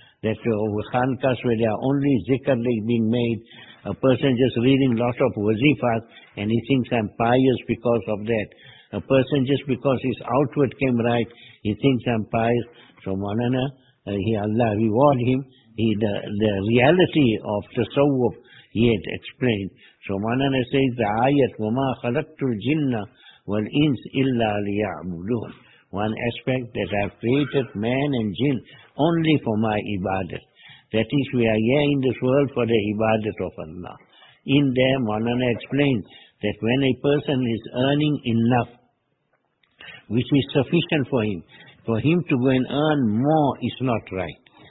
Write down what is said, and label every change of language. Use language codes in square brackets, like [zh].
[en] That khankas where there are only zikr being made, a person just reading lots of wazifas and he thinks I'm pious because of that. A person, just because his outward came right, he thinks I'm pious. So, Manana, Allah reward him. The reality of the tasawwuf he had explained. So, Manana says, the ayat, [ar] وَمَا خَلَقْتُ الْجِنَّ وَالْإِنسِ إِلَّا لِيَعْبُدُونَ. [en] One aspect, that I've created man and jinn only for my ibadat. That is, we are here in this world for the ibadat of Allah. In there, Manana explains, that when a person is earning enough, which is sufficient for him to go and earn more is not right.